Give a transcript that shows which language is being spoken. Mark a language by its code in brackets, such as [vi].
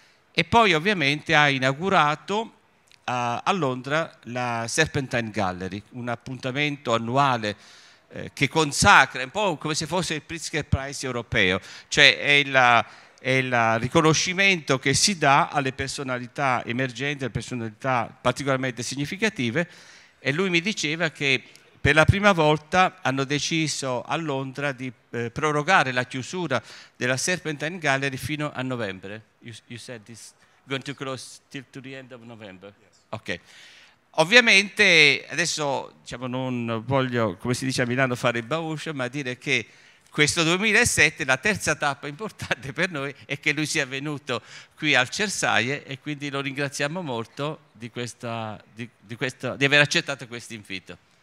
[it] E poi ovviamente ha inaugurato a Londra la Serpentine Gallery, un appuntamento annuale che consacra, un po' come se fosse il Pritzker Prize europeo, cioè è il riconoscimento che si dà alle personalità emergenti, alle personalità particolarmente significative. E lui mi diceva che per la prima volta hanno deciso a Londra di prorogare la chiusura della Serpentine Gallery fino a novembre. [en] You said this going to close till to the end of November. [it] Ok, ovviamente adesso, diciamo, non voglio, come si dice a Milano, fare il bauscio, ma dire che questo 2007, la terza tappa importante per noi è che lui sia venuto qui al Cersaie, e quindi lo ringraziamo molto di aver accettato questo invito.